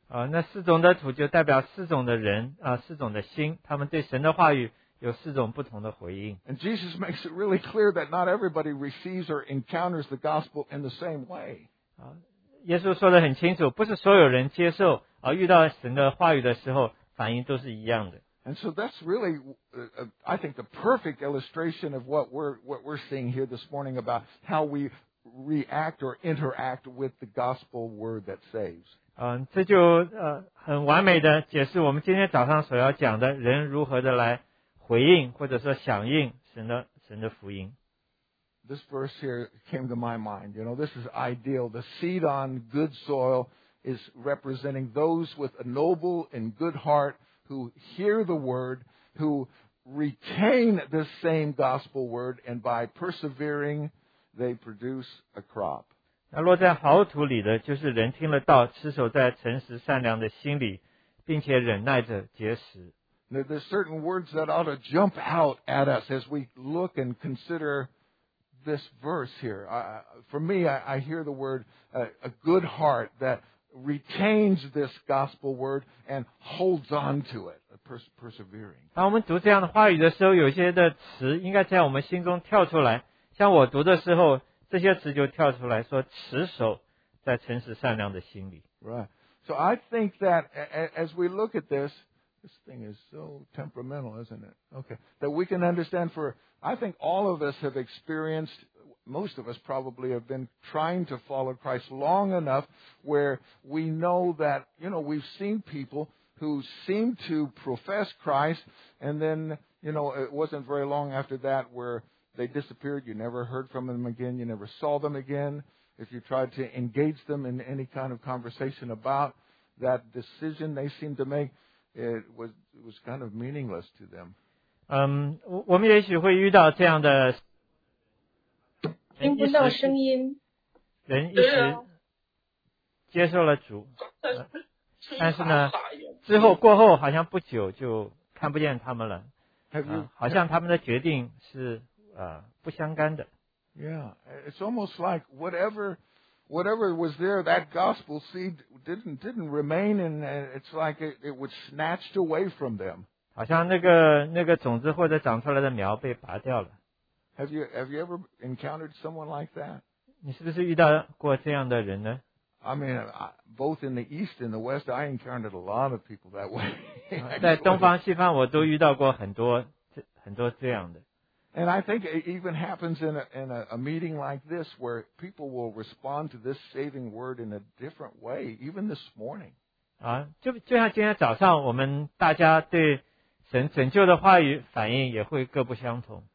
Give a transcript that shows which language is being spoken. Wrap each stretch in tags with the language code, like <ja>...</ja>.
<zh>那四种的土就代表四种的人四种的心，他们对神的话语有四种不同的回应。</zh> <en>And Jesus makes it really clear that not everybody receives or encounters the gospel in the same way.</en> <zh>耶稣说得很清楚，不是所有人接受遇到神的话语的时候反应都是一样的。</zh> <en>And so that's really, I think, the perfect illustration of what we're seeing here this morning about how we react or interact with the gospel word that saves.</en> <zh>这就很完美的解释我们今天早上所要讲的人如何的来回应或者说响应神的福音。</zh> <en>This verse here came to my mind. You know, this is ideal. The seed on good soil is representing those with a noble and good heart. Who hear the word, who retain the same gospel word, and by persevering, they produce a crop.</en> <zh>落在豪土里的就是人听了道，持守在诚实善良的心里，并且忍耐着节食。</zh> <en>There's certain words that ought to jump out at us as we look and consider this verse here. For me, I hear the word a good heart that retains this gospel word and holds on to it, persevering.</en> <zh>当我们读这样的话语的时候，有些的词应该在我们心中跳出来。像我读的时候，这些词就跳出来说，持守在诚实善良的心里。</zh> <en>Right. So I think that as we look at this,This thing is so temperamental, isn't it? Okay. That we can understand for, I think all of us have experienced, most of us probably have been trying to follow Christ long enough where we know that, you know, we've seen people who seem to profess Christ and then, you know, it wasn't very long after that where they disappeared. You never heard from them again. You never saw them again. If you tried to engage them in any kind of conversation about that decision they seemed to make,It was kind of meaningless to them.</en> <zh>我们也许会遇到这样的，听不到声音。人一时接受了主，但是呢，之后过后好像不久就看不见他们了。好像他们的决定是不相干的。</zh> <en>Yeah, it's almost like whatever was there, that gospel seed didn't remain, and it's like it was snatched away from them.</en> <zh>好像那个种子或者长出来的苗被拔掉了。</zh> <en>Have you ever encountered someone like that?</en> <zh>你是不是遇到过这样的人呢？</zh> <en>I mean, both in the East and the West, I encountered a lot of people that way.</en> <zh>在东方西方我都遇到过很多这样的。</zh> <en>And I think it even happens in a meeting like this where people will respond to this saving word in a different way, even this morning.</en> <zh>就像今天早上我们大家对神拯救的话语反应也会各不相同。</zh>